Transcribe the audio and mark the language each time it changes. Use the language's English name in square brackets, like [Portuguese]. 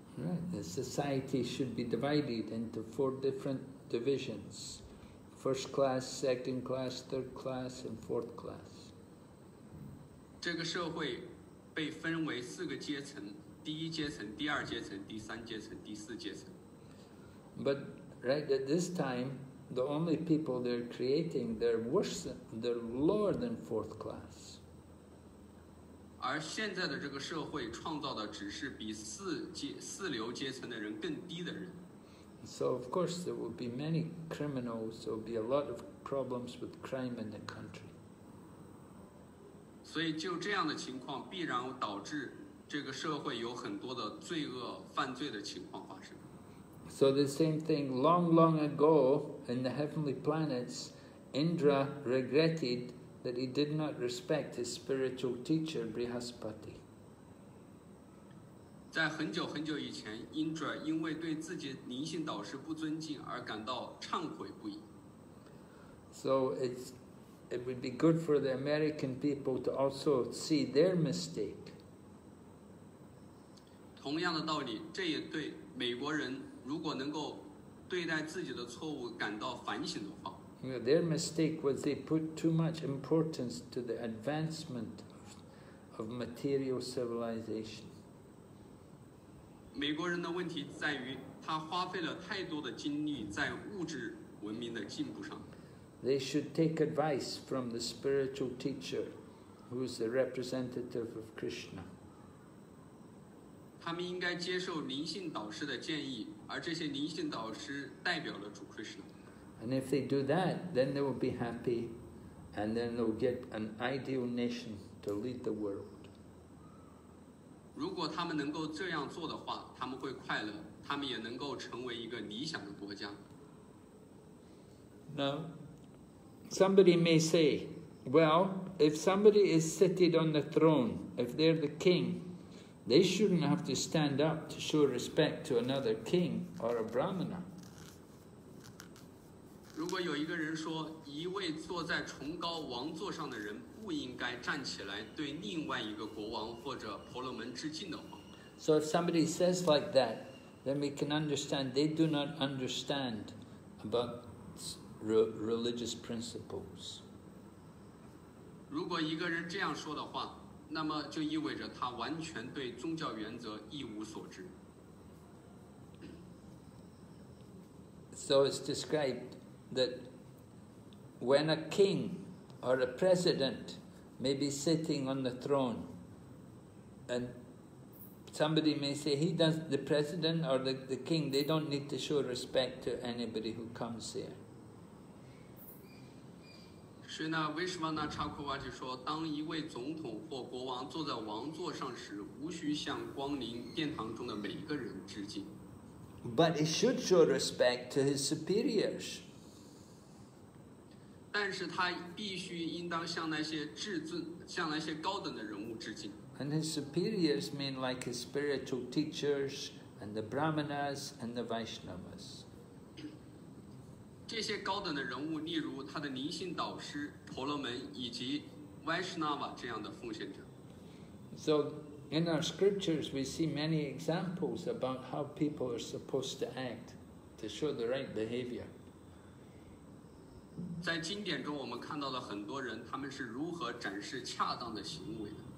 [English] Right, the society should be divided into four different divisions. First class, second class, third class, and fourth class. [Chinese] 这个社会被分为四个阶层，第一阶层，第二阶层，第三阶层，第四阶层。 [English] But right at this time,The only people they're creating, they're worse, than, they're lower than fourth class. [Chinese] 而现在的这个社会创造的只是比四流阶层的人更低的人。 [English] So of course there will be many criminals. There will be a lot of problems with crime in the country. [Chinese] 所以就这样的情况必然导致这个社会有很多的罪恶犯罪的情况发生。 [English] So the same thing, long, long ago, in the heavenly planets, Indra regretted that he did not respect his spiritual teacher, Brihaspati. [Chinese] 在很久很久以前, Indra 因为对自己灵性导师不尊敬而感到忏悔不已。 [English] So it would be good for the American people to also see their mistake. [Chinese] 同样的道理,这也对美国人如果能够对待自己的错误感到反省的话 [English] yeah, Their mistake was they put too much importance to the advancement of material civilization. [Chinese] 美国人的问题在于他花费了太多的精力在物质文明的进步上。 [English] They should take advice from the spiritual teacher who is the representative of Krishna. [Chinese] 他们应该接受灵性导师的建议，而这些灵性导师代表了主 Krishna。 [English] And if they do that, then they will be happy, and then they'll get an ideal nation to lead the world. [Chinese] 如果他们能够这样做的话，他们会快乐，他们也能够成为一个理想的国家。 [English] Now, somebody may say, well, if somebody is seated on the throne, if they're the king,They shouldn't have to stand up to show respect to another king or a brahmana. [Chinese] 如果有一个人说，一位坐在崇高王座上的人不应该站起来对另外一个国王或者婆罗门致敬的话。 [English] So if somebody says like that, then we can understand they do not understand about religious principles. [Chinese] 如果一个人这样说的话。那么就意味着他完全对宗教原则一无所知。 [English] So it's described that when a king or a president may be sitting on the throne, and somebody may say he does the president or the king, they don't need to show respect to anybody who comes here. [Chinese] 所以呢，维什瓦纳查库瓦就说，当一位总统或国王坐在王座上时，无需向光临殿堂中的每一个人致敬。 [English] But he should show respect to his superiors. [Chinese] 但是他必须应当向那些至尊、向那些高等的人物致敬。 [English] And his superiors mean like his spiritual teachers and the brahmanas and the Vaishnavas. [Chinese] 这些高等的人物，例如他的灵性导师、婆罗门以及 Vaishnava 这样的奉献者。 [English] So in our scriptures, we see many examples about how people are supposed to act to show the right behavior. [Chinese] 在经典中，我们看到了很多人，他们是如何展示恰当的行为的。